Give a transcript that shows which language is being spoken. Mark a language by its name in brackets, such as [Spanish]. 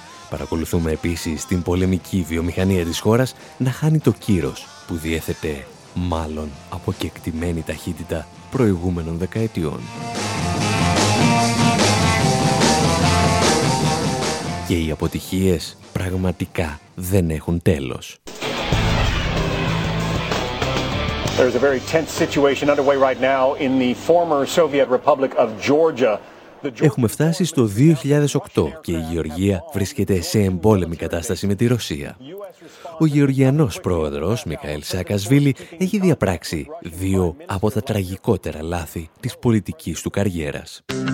[Greek] Παρακολουθούμε επίσης την πολεμική βιομηχανία της χώρας να χάνει το κύρος που διέθετε μάλλον από κεκτημένη ταχύτητα προηγούμενων δεκαετιών. Και οι αποτυχίες πραγματικά δεν έχουν τέλος. [English] There's a very tense situation underway right now in the former Soviet Republic of Georgia. [Greek] Έχουμε φτάσει στο 2008 και η Γεωργία βρίσκεται σε εμπόλεμη κατάσταση με τη Ρωσία. Ο Γεωργιανός πρόεδρος, Μιχαήλ Σακασβίλη, έχει διαπράξει δύο από τα τραγικότερα λάθη της πολιτικής του καριέρας.